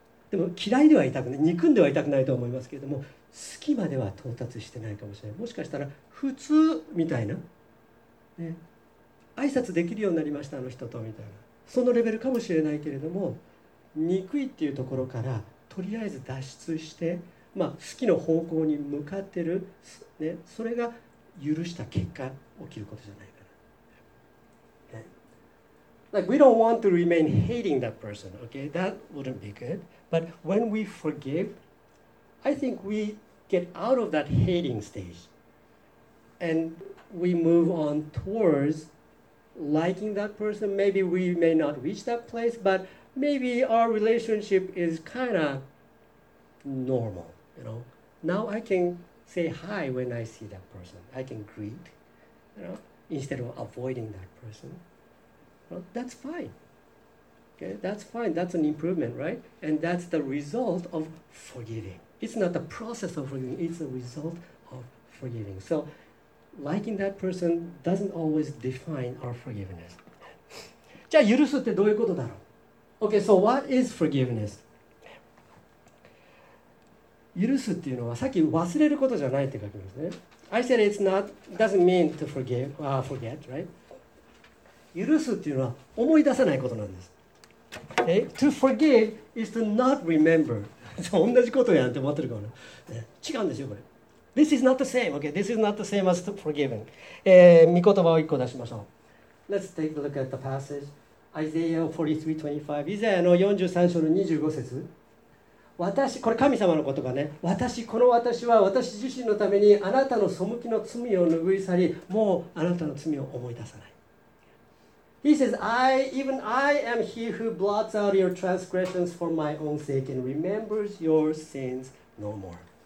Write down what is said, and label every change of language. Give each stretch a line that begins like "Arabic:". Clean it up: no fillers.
Japanese: でも嫌いではいたくない、憎んではいたくないと思いますけれども、好きまでは到達してないかもしれない。もしかしたら普通みたいな、ね、挨拶できるようになりましたあの人とみたいな、そのレベルかもしれないけれども、憎いっていうところからとりあえず脱出して、まあ、好きの方向に向かってる、ね、それが許した結果起きることじゃないかな。
English: Okay. Like, we don't want to remain hating that person, okay? That wouldn't be good. But when we forgive, I think we get out of that hating stage. And we move on towards liking that person. Maybe we may not reach that place, butMaybe our relationship is kind of normal, you know. Now I can say hi when I see that person. I can greet, you know, instead of avoiding that person. Well, that's fine. Okay, that's fine. That's an improvement, right? And that's the result of forgiving. It's not the process of forgiving. It's the result of forgiving. So liking that person doesn't always define our forgiveness.
Japanese: じゃあ許すってどういうことだろう?
English: Okay, so what is forgiveness?
Japanese: 許すっていうのはさっき忘れることじゃないって書きますね。
English: I said it's not, doesn't mean to forgive, forget, right?
Japanese: 許すっていうのは思い出さないことなんです。
English: Okay? To forgive is to not remember.
Japanese: 同じことやんって思ってるかもね。違うんですよ、これ。
English: This is not the same, okay? This is not the same as forgiving.
Japanese: 見言葉を一個出しましょう。
English: Let's take a look at the passage. Isaiah 43:25.
Japanese: イザヤの43章の25節。私、これ神様の言葉ね。私、この私は私自身のためにあなたの背きの罪を拭い去り、もうあなたの罪を思い出さない。
English: He says, I am he who blots out your transgressions for my own sake and remembers your sins no more.